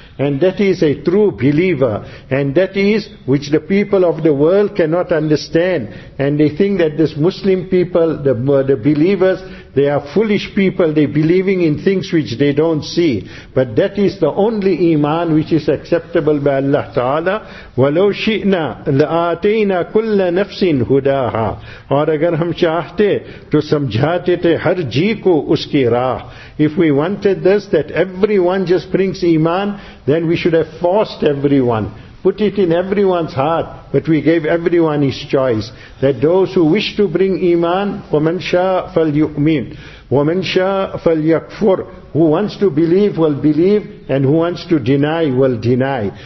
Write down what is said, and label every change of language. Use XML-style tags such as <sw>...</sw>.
<en>And that is a true believer. And that is which the people of the world cannot understand. And they think that this Muslim people, the believers, they are foolish people. They believing in things which they don't see. But that is the only iman which is acceptable by Allah Ta'ala.</en> <ar>وَلَوْ شِئْنَا لَآتَيْنَا كُلَّ نَفْسٍ هُدَاهَا,</ar> <ur>اور اگر ہم چاہتے تو سمجھاتے تھے ہر جی کو اس کی راہ.</ur> <en>If we wanted this, that everyone just brings iman, then we should have forced everyone, put it in everyone's heart, but we gave everyone his choice. That those who wish to bring iman,</en> <ar>وَمَنْ شَاءَ فَلْيُؤْمِنُ وَمَنْ شَاءَ فَلْيَكْفُرُ,</ar> <en>who wants to believe will believe, and who wants to deny will deny.</en>